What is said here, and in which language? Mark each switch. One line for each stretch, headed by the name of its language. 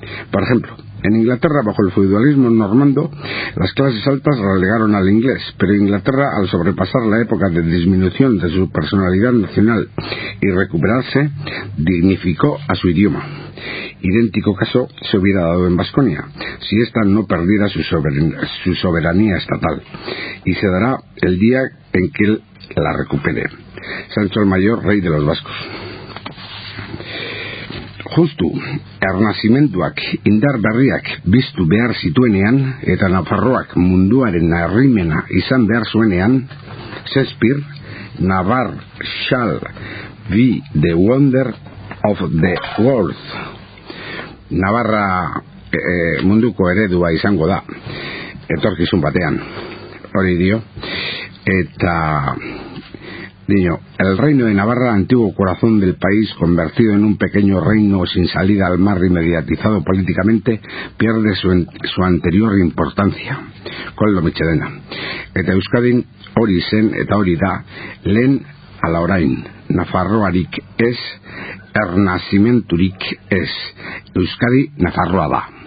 Spanish: Por ejemplo, en Inglaterra, bajo el feudalismo normando, las clases altas relegaron al inglés, pero Inglaterra, al sobrepasar la época de disminución de su personalidad nacional y recuperarse, dignificó a su idioma. Idéntico caso se hubiera dado en Vasconia, si ésta no perdiera su soberanía estatal, y se dará el día en que él la recupere. Sancho el Mayor, rey de los vascos.
Basque: Justu, ernazimenduak, indar berriak, biztu behar zituenean, eta Nafarroak munduaren herrimena izan behar zuenean, Shakespeare,
English: Navarre shall be the wonder of the world.
Basque: Navarra munduko eredua izango da, etorkizun batean, hori dio, eta...
Spanish: Niño, el reino de Navarra, antiguo corazón del país, convertido en un pequeño reino sin salida al mar y mediatizado políticamente, pierde su anterior importancia.
Basque: Koldo Mitxelena. Eta Euskadin, hori zen eta hori da, lehen ala orain, Nafarroarik ez, ernazimenturik ez, Euskadi Nafarroa da.